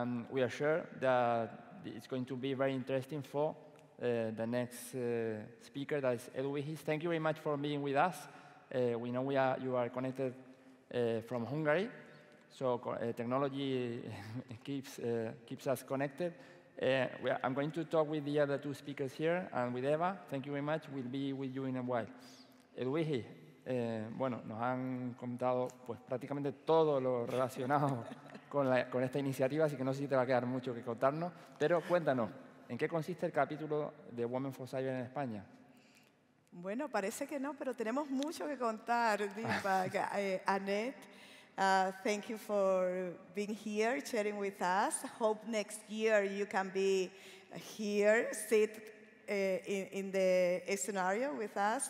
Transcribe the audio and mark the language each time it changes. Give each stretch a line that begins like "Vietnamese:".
English: We are sure that it's going to be very interesting for the next speaker, that is Eduvigis. Thank you very much for being with us. We know you are connected from Hungary, so technology keeps us connected. I'm going to talk with the other two speakers here and with Eva. Thank you very much. We'll be with you in a while.
Spanish: Eduvigis, bueno, nos han contado pues prácticamente todo lo relacionado con esta iniciativa, así que no sé si te va a quedar mucho que contarnos. Pero cuéntanos, ¿en qué consiste el capítulo de Women for Cyber en España? Bueno, parece que no, pero tenemos mucho que contar, Deepak, Anett.
English: Thank you for being here, sharing with us. Hope next year you can be here, sit in the scenario with us.